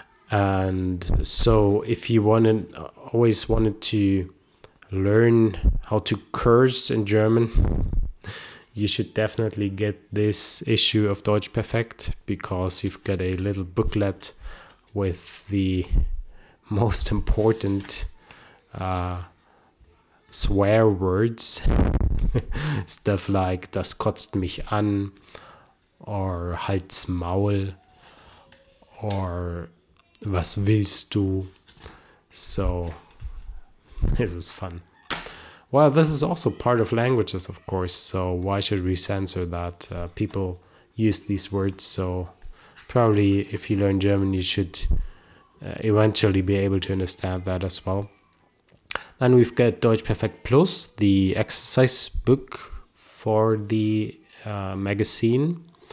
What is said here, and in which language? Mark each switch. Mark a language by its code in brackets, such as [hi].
[en] And so if you always wanted to learn how to curse in German, you should definitely get this issue of Deutsch Perfekt, because you've got a little booklet with the most important swear words. Stuff like [de] das kotzt mich an, [en] or [de] halt's Maul, [en] or [de] was willst du? [en] So this is fun. Well, this is also part of languages, of course, so why should we censor that? People use these words, so probably if you learn German, you should eventually be able to understand that as well. Then we've got Deutsch Perfekt Plus, the exercise book for the magazine.